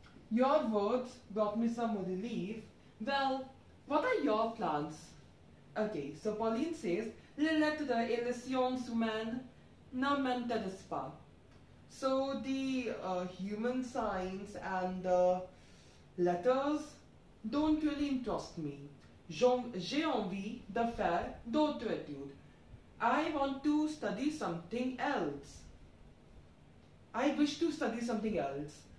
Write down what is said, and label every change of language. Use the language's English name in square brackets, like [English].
[English] Your words brought me some relief. Well, what are your plans? Okay, so Pauline says, [French] Les lettres et les sciences humaines ne m'intéressent pas. [English] So the human science and the letters don't really interest me. [French] J'ai envie de faire d'autres études. [English] I want to study something else. I wish to study something else.